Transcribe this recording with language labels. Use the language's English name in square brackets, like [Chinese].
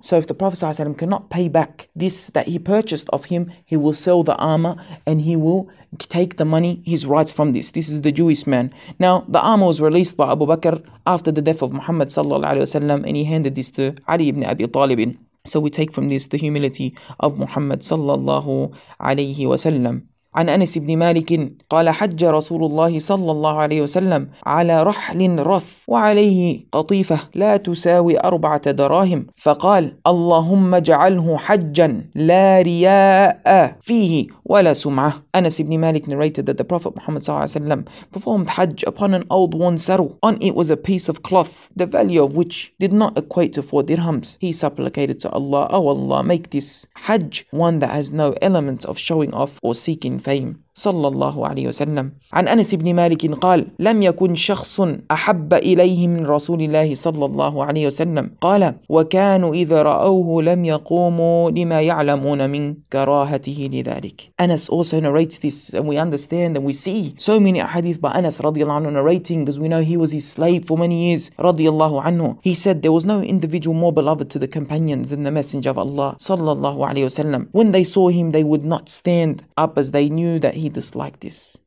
[English] So if the Prophet sallallahu alayhi wa sallam cannot pay back this that he purchased of him, he will sell the armor and he will take the money, his rights from this. This is the Jewish man. Now the armor was released by Abu Bakr after the death of Muhammad sallallahu alayhi wa sallam, and he handed this to Ali ibn Abi Talib. So we take from this the humility of Muhammad sallallahu alayhi wa sallam. [Arabic] عن أنس بن مالك قال حج رسول الله صلى الله عليه وسلم على رحل رث وعليه قطيفة لا تساوي 4 دراهم فقال اللهم اجعله حجا لا رياء فيه ولا سمعة. [English] أنس بن مالك narrated that the Prophet Muhammad [Arabic] صلى الله عليه وسلم [English] performed حج upon an old worn saddle. On it was a piece of cloth, the value of which did not equate to 4 dirhams. He supplicated to Allah, oh Allah, make this حج one that has no element of showing off or seeking fame, [Arabic] صلى الله عليه وسلم. عن أنس بن مالك قال لم يكن شخص أحب إليه من رسول الله صلى الله عليه وسلم قال وكانوا إذا رأوه لم يقوموا لما يعلمون من كراهته لذلك. [English] Anas also narrates this, and we understand and we see so many hadith by Anas [Arabic] رضي الله عنه [English] narrating, because we know he was his slave for many years رضي الله عنه. He said there was no individual more beloved to the companions than the messenger of Allah [Arabic] صلى الله عليه وسلم. [English] When they saw him, they would not stand up, as they knew that he disliked this.